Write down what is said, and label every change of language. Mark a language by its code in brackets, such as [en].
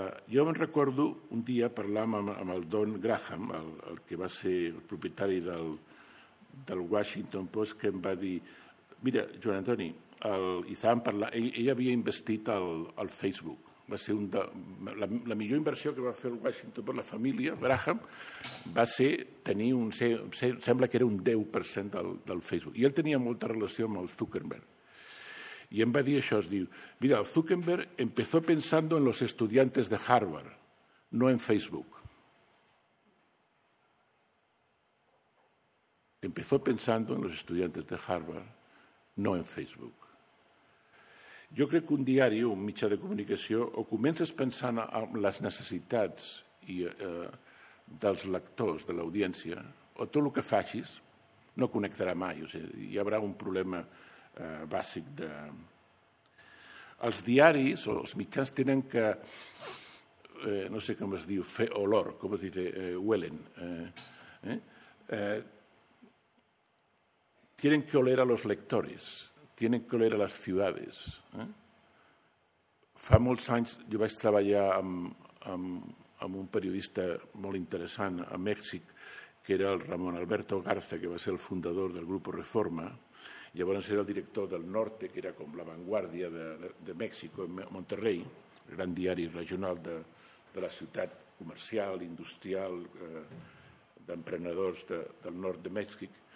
[ca] Jo me'n recordo un dia parlant amb el Don Graham, el que va ser el propietari del Washington Post, que em va dir, mira, Joan Antoni, ell havia investit al Facebook, va ser la millor inversió que va fer el Washington Post, la família Graham, va ser tenir un, sembla que era un 10% del Facebook, i ell tenia molta relació amb el Zuckerberg. [es] Y en vez de eso, os digo, mira, Zuckerberg empezó pensando en los estudiantes de Harvard, no en Facebook. Empezó pensando en los estudiantes de Harvard, no en Facebook. Yo creo que un diario, [ca] un mitjà de comunicació, o comences pensant en les necessitats i dels lectors, de l'audiència, o tot el que facis no connectarà mai. O sigui, hi haurà un problema bàsic de... Els diaris o els mitjans tenen que, no sé com es diu, fer olor, com es diu, huelen. [es] Tienen que oler a los lectores, tienen que oler a las ciudades. [ca] Fa molts anys jo vaig treballar amb un periodista molt interessant a Mèxic, que era el Ramon Alberto Garza, que va ser el fundador del Grupo Reforma. Llavors era el director del Norte, que era com l'avantguàrdia de Mèxic, Monterrey, gran diari regional de la ciutat comercial, industrial, d'emprenedors del nord de Mèxic.